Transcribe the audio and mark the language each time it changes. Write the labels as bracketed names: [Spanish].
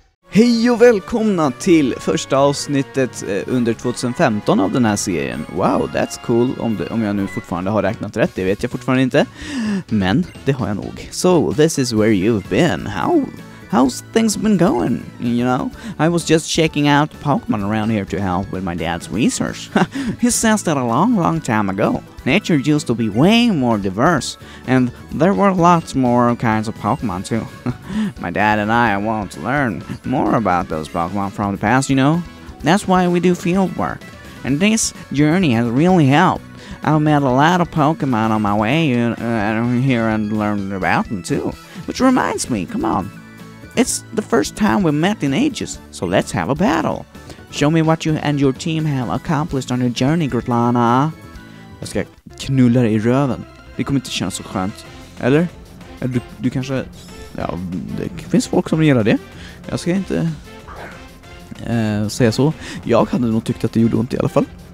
[Swedish] Hej och välkomna till första avsnittet under 2015 av den här serien. [English] Wow, that's cool. [Swedish] Om jag nu fortfarande har räknat rätt, det vet jag fortfarande inte. Men det har jag nog. [English] So, this is where you've been. How's things been going, you know? I was just checking out Pokemon around here to help with my dad's research. He says that a long, long time ago, nature used to be way more diverse, and there were lots more kinds of Pokemon, too. My dad and I want to learn more about those Pokemon from the past, you know? That's why we do field work. And this journey has really helped. I've met a lot of Pokemon on my way here and learned about them, too. Which reminds me, come on. It's the first time we've met in ages, so let's have a battle. Show me what you and your team have accomplished on your journey, Grotlana. [Swedish] Jag ska knulla dig i röven. Det kommer inte kännas så skönt. Eller? Du kanske... Ja, det finns folk som gillar det. Jag ska inte säga så. Jag hade nog tyckt att det gjorde ont i alla fall.